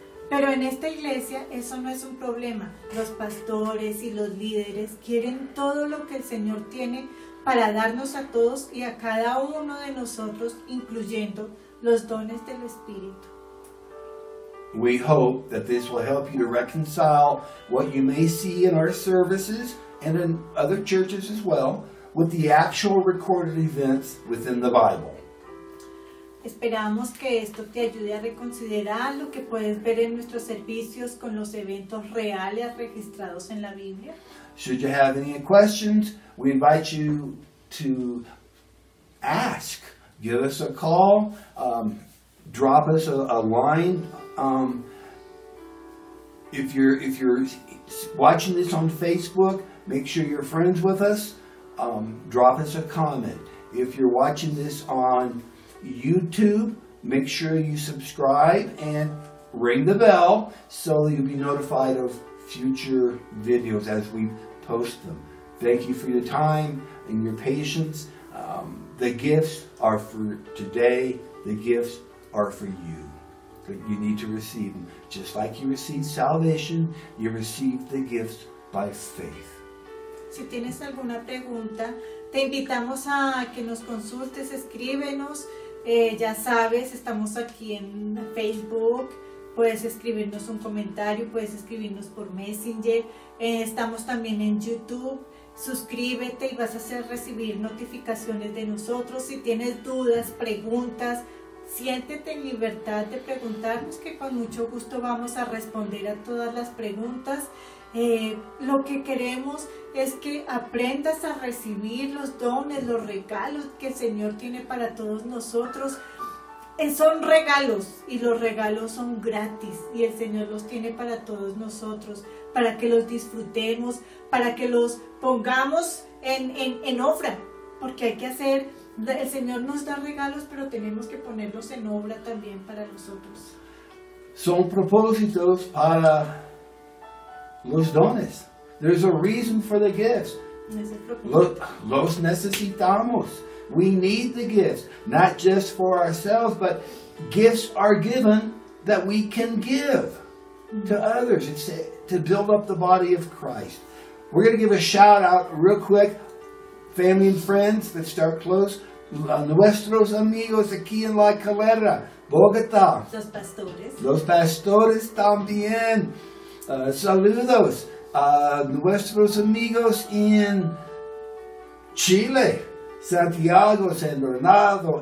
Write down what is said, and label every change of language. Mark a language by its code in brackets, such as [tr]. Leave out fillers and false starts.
[es] Pero en esta iglesia eso no es un problema. Los pastores y los líderes quieren todo lo que el Señor tiene para darnos a todos y a cada uno de nosotros, incluyendo los dones del Espíritu. [en] We hope that this will help you to reconcile what you may see in our services and in other churches as well with the actual recorded events within the Bible. [es] Esperamos que esto te ayude a reconsiderar lo que puedes ver en nuestros servicios con los eventos reales registrados en la Biblia. [en] Should you have any questions, we invite you to ask. Give us a call, drop us a line. If you're watching this on Facebook, make sure you're friends with us. Drop us a comment. If you're watching this on YouTube, make sure you subscribe and ring the bell so you'll be notified of future videos as we post them. Thank you for your time and your patience. The gifts are for today. The gifts are for you. But you need to receive them. Just like you received salvation, you receive the gifts by faith. [es] Si tienes alguna pregunta, te invitamos a que nos consultes, escríbenos. Ya sabes, estamos aquí en Facebook. Puedes escribirnos un comentario, puedes escribirnos por Messenger. Estamos también en YouTube. Suscríbete y vas a recibir notificaciones de nosotros. Si tienes dudas, preguntas, siéntete en libertad de preguntarnos, que con mucho gusto vamos a responder a todas las preguntas. Lo que queremos es que aprendas a recibir los dones, los regalos que el Señor tiene para todos nosotros. Son regalos, y los regalos son gratis, y el Señor los tiene para todos nosotros, para que los disfrutemos, para que los pongamos en obra, porque hay que hacer, el Señor nos da regalos, pero tenemos que ponerlos en obra también para nosotros. Son propósitos para los dones. [en] There's a reason for the gifts. [es] Los necesitamos. [en] We need the gifts, not just for ourselves, but gifts are given that we can give to others. It's to build up the body of Christ. We're going to give a shout out real quick, family and friends that start close. [es] Nuestros amigos aquí en La Calera, Bogotá. Los pastores. Los pastores también. Saludos. Nuestros amigos en Chile. Santiago, San Bernardo,